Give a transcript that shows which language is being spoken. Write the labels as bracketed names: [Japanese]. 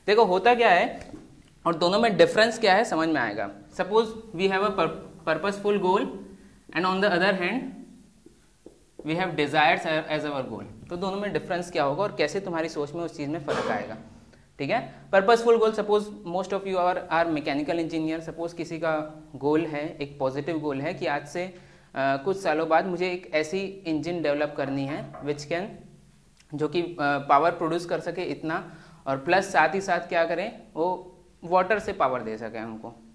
[Hindi] देखो होता क्या है और दोनों में difference क्या है समझ में आएगा। [English] Suppose we have a purposeful goal and on the other hand we have desires as our goal. [Hindi] तो दोनों में difference क्या होगा और कैसे तुम्हारी सोच में उस चीज़ में फ़र्क आएगा? ठीक है, purposeful goal, [English] suppose most of you are mechanical engineer, [Hindi] suppose किसी का गोल है, एक पॉजिटिव गोल है कि आज से कुछ सालों बाद मुझे एक ऐसी इंजन डेवलप करनी है विच कैन, जो कि पावर प्रोड्यूस कर सके इतना, और प्लस साथ ही साथ क्या करें वो वाटर से पावर दे सके हमको।